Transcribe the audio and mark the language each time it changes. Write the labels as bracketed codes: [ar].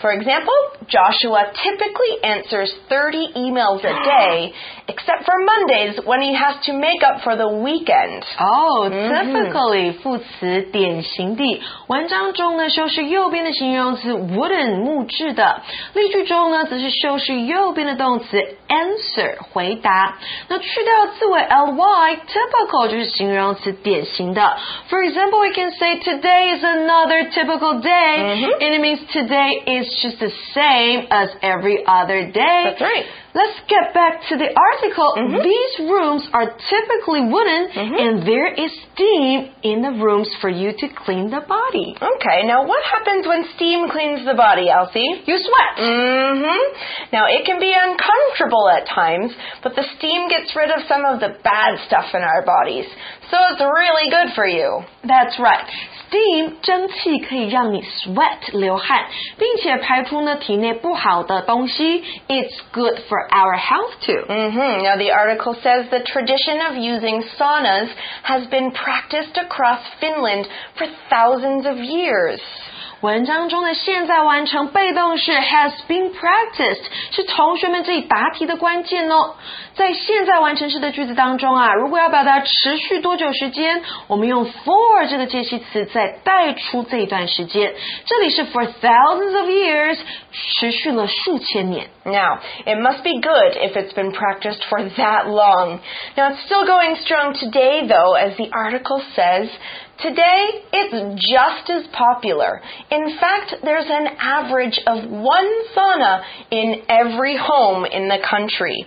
[en] For example, Joshua typically answers 30 emails a day, except for Mondays when he has to make up for the weekend. [zh] Typically, 副词典型地。文章中呢修饰右边的形容词 wooden, 木质的。例句中呢则是修饰右边的动词 answer, 回答。那去掉字尾 ly, typical 就是形容词典型的。 [en] For example, we can say today is another typical day,、 mm-hmm. and it means today is just the same as every other day. That's right. Let's get back to the article. Mm-hmm. These rooms are typically wooden, mm-hmm. and there is steam in the rooms for you to clean the body. Okay, now what happens when steam cleans the body, Elsie? You sweat. Mm-hmm. Now, it can be uncomfortable at times, but the steam gets rid of some of the bad stuff in our bodies. So it's really good for you. That's right. [zh] Steam, 蒸汽可以让你 sweat, 流汗并且排出呢体内不好的东西 [en] It's good for our health too. Mm-hmm. Now the article says the tradition of using saunas has been practiced across Finland for thousands of years. [zh] 文章中的现在完成被动式 [en] has been practiced [zh] 是同学们这里答题的关键哦。在现在完成式的句子当中啊，如果要表达持续多久时间，我们用 for 这个介系词再带出这一段时间。这里是 [en] for thousands of years， [zh] 持续了数千年。 [en] Now, it must be good if it's been practiced for that long. Now, it's still going strong today, though, as the article says. Today, it's just as popular. In fact, there's an average of one sauna in every home in the country.